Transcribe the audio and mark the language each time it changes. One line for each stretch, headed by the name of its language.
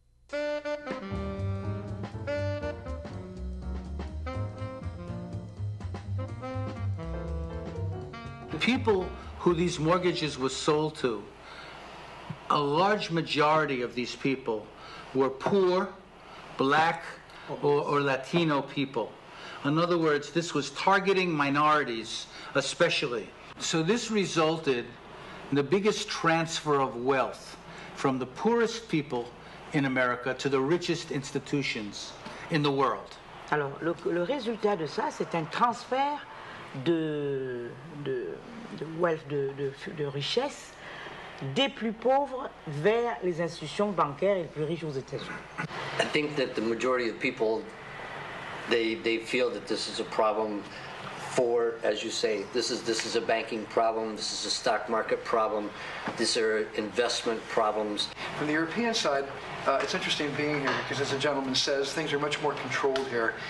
English: The people who these mortgages were sold to, a large majority of these people were poor, black, or Latino people. In other words, this was targeting minorities especially. So this resulted in the biggest transfer of wealth from the poorest people in America to the richest institutions in the world.
French: Alors, le résultat de ça, c'est un transfert de wealth, de richesse des plus pauvres vers les institutions bancaires et les plus riches aux États-Unis.
English: I think that the majority of people, they feel that this is a problem for, as you say, this is a banking problem, this is a stock market problem, these are investment problems. From the European side, it's interesting being here because, as the gentleman says, things are much more controlled here.